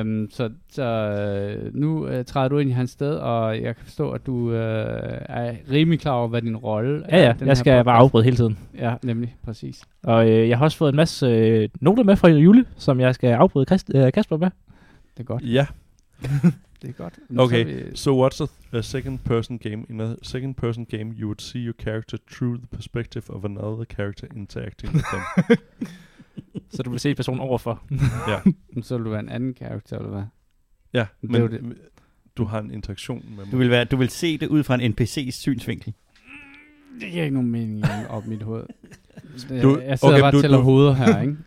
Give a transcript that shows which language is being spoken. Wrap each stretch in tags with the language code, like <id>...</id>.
<da>Så nu træder du ind i hans sted, og jeg kan forstå, at du er rimelig klar over, hvad din rolle er. Ja, jeg skal bare afbryde hele tiden. Ja, nemlig, præcis. Og jeg har også fået en masse noter med fra Jule, som jeg skal afbryde Kasper med. Det er godt. Ja. Det er godt. Nu okay, så</da> <en>what's a second person game? In a second person game, you would see your character through the perspective of another character interacting with them.</en> <da>Så du vil se personen overfor. Ja. Så vil du være en anden karakter, eller hvad? Ja, men du har en interaktion med mig. Du vil se det ud fra en NPC's synsvinkel. Det giver ikke nogen mening op mit hoved. Jeg sidder bare og tæller hoveder her, ikke?</da>